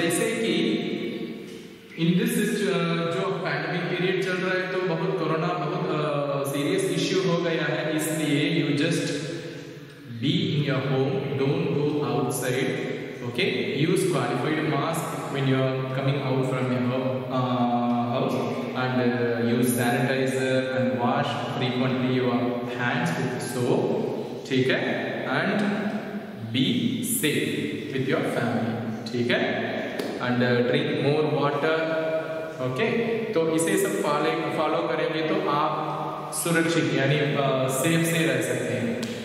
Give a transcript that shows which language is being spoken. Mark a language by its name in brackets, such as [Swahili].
[Hindi] जैसे कि in this जो पैंडमिक पीरियड चल रहा है तो बहुत कोरोना बहुत सीरियस इश्यू हो गया है, इसलिए [English] You just be in your home, don't go outside. Okay, use qualified mask when you are coming out from your home and use sanitizer and wash frequently your hands with soap. [Hindi] ठीक है, [English] and be safe with your family. [Hindi] ठीक है, [English] and drink more water. [Hindi] Okay, तो इसे सब follow करेंगे तो आप सुरक्षित यानी safe से रह सकते हैं।